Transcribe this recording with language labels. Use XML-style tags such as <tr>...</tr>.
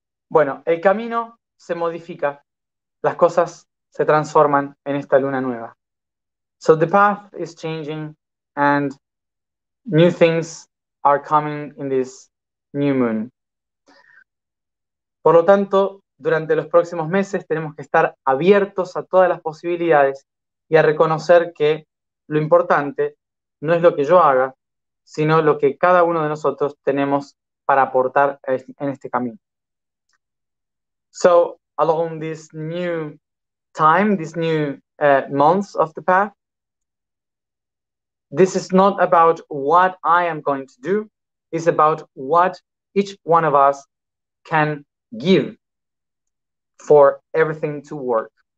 <es>Bueno, el camino se modifica, las cosas se transforman en esta luna nueva.</es> <en>So the path is changing and new things are coming in this new moon.</en> <es>Por lo tanto, durante los próximos meses tenemos que estar abiertos a todas las posibilidades y a reconocer que lo importante no es lo que yo haga, sino lo que cada uno de nosotros tenemos para aportar en este camino.</es> <en>So, along this new time, this new months of the path, this is not about what I am going to do, it's about what each one of us can give for everything to work.</en>